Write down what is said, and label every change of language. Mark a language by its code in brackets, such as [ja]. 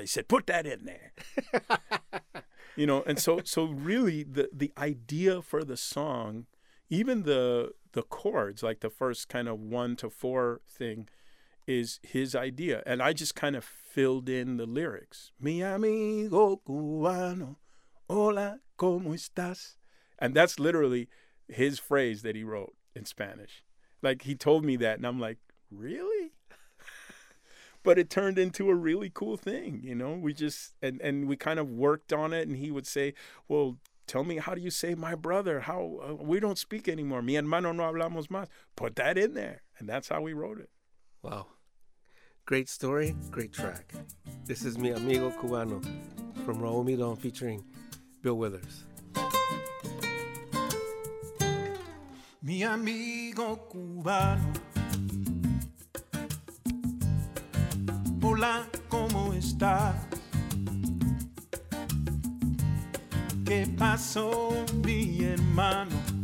[en] He said, put that in there. You know, and so really the idea for the song, even the chords, like the first kind of 1-4 thing, is his idea. And I just kind of filled in the lyrics. [es] Mi amigo cubano, hola, ¿cómo estás? [en] And that's literally his phrase that he wrote in Spanish. Like, he told me that, and I'm like, really? But it turned into a really cool thing, you know? We just, and we kind of worked on it, and he would say, well, tell me, how do you say my brother? How, we don't speak anymore. [es] Mi hermano no hablamos más. [en] Put that in there. And that's how we wrote it. Wow. Great story, great track. This is Mi Amigo Cubano from Raul Midon featuring Bill Withers. [es] Mi amigo cubano, hola, ¿cómo estás? ¿Qué pasó, mi hermano?